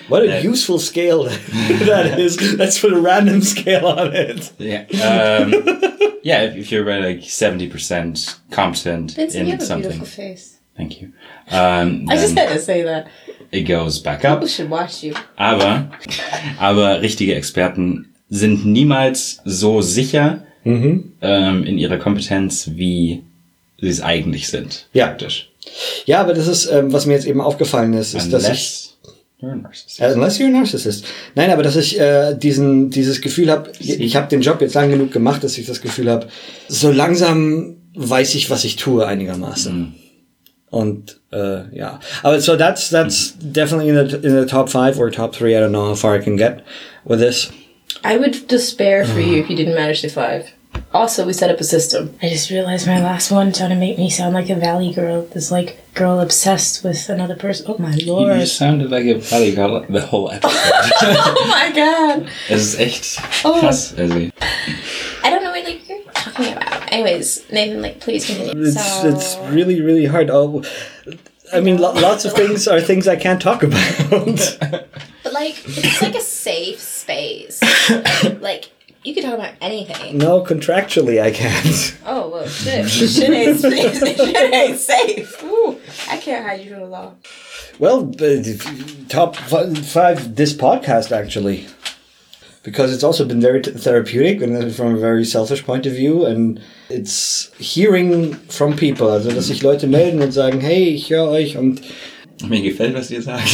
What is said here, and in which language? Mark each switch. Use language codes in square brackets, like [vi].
[en] What a useful scale that is. Let's put a random scale on it. If you're about like 70% competent in something. You have a beautiful face. Thank you. I just had to say that. It goes back up. People should watch you. [de] Aber richtige Experten sind niemals so sicher in ihrer Kompetenz, wie sie es eigentlich sind. Ja. Praktisch. Ja, aber das ist, was mir jetzt eben aufgefallen ist, ist, [en] unless [de] dass ich... [en] Unless you're a narcissist. [de] Nein, aber dass ich dieses Gefühl habe, ich habe den Job jetzt lang genug gemacht, dass ich das Gefühl habe, so langsam weiß ich, was ich tue einigermaßen. Mm. Und aber so [en] that's definitely in the top five or top three. I don't know how far I can get with this. I would despair for you if you didn't manage the five. Also, we set up a system. I just realized my last one trying to make me sound like a valley girl. This like girl obsessed with another person. Oh my lord! You sounded like a valley girl the whole episode. Oh my god! [de] Es ist echt krass, also. [en] I don't know what like you're talking about. Anyways, Nathan, like, please continue. It's really, really hard. Lots of things are things I can't talk about. But like, it's like a safe space. Like, you can talk about anything. No, contractually I can't. Oh, well, shit. Shit ain't safe. Shit ain't safe. Ooh, I can't hide you from the law. Well, top five this podcast, actually. Because it's also been very therapeutic and from a very selfish point of view. And it's hearing from people, [de] also dass sich Leute melden und sagen, hey, ich höre euch. Und mir gefällt, was ihr sagt.